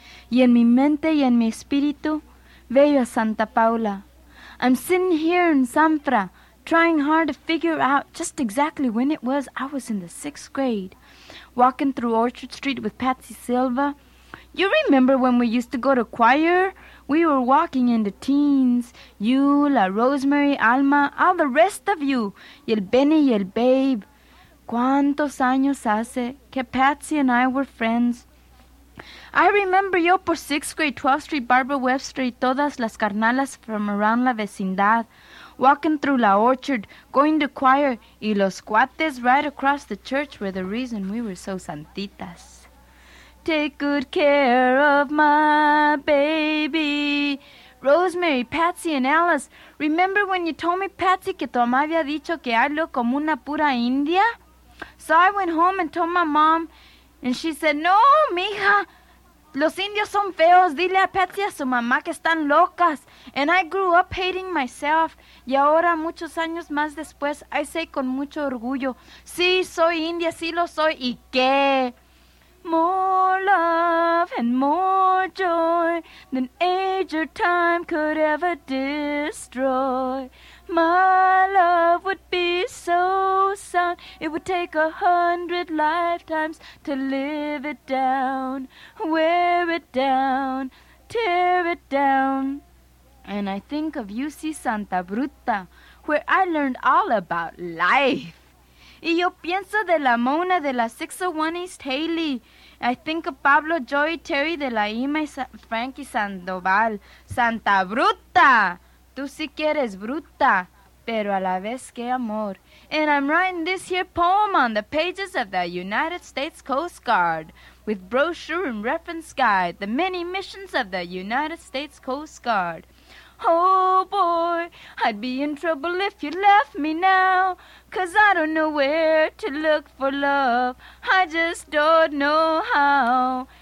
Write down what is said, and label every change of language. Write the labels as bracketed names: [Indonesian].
[Spanish] Y en mi mente y en mi espíritu, veo a Santa Paula. [English] I'm sitting here in Sanfra, trying hard to figure out just exactly when it was I was in the sixth grade, walking through Orchard Street with Patsy Silva. You remember when we used to go to choir? We were walking in the teens. You, La Rosemary, Alma, all the rest of you. [Spanish] Y el Benny y el Babe. ¿Cuántos años hace que Patsy [English] and I were friends? I remember yo por sixth grade, 12th Street, Barbara Webb Street, [Spanish] todas las carnalas [English] from around [Spanish] la vecindad. [English] Walking through La Orchard, going to choir, [Spanish] y los cuates [English] right across the church were the reason we were so santitas. Take good care of my baby. Rosemary, Patsy, and Alice, remember when you told me, Patsy, [Spanish] que tu mamá había dicho que [English] I look [Spanish] como una pura India? [English] So I went home and told my mom, and she said, no, mija. [Spanish] Los indios son feos. Dile a Patsy a su mamá que están locas. [English] And I grew up hating myself. [Spanish] Y ahora, muchos años más después, [English] I say [Spanish] con mucho orgullo, sí, soy india, sí lo soy, ¿y qué? [English] More love and more joy than age or time could ever destroy. My love would be so sound, it would take 100 lifetimes to live it down, wear it down, tear it down. And I think of UC Santa Bruta, where I learned all about life. [Spanish] Y yo pienso de la Mona de la 601 East Haley. [English] I think of Pablo, Joey, Terry de la Ima y Frankie Sandoval. [Spanish] Santa Bruta! Tú sí que eres bruta, pero a la vez que amor. [English] And I'm writing this here poem on the pages of the United States Coast Guard, with brochure and reference guide, the many missions of the United States Coast Guard. Oh boy, I'd be in trouble if you left me now, 'cause I don't know where to look for love, I just don't know how.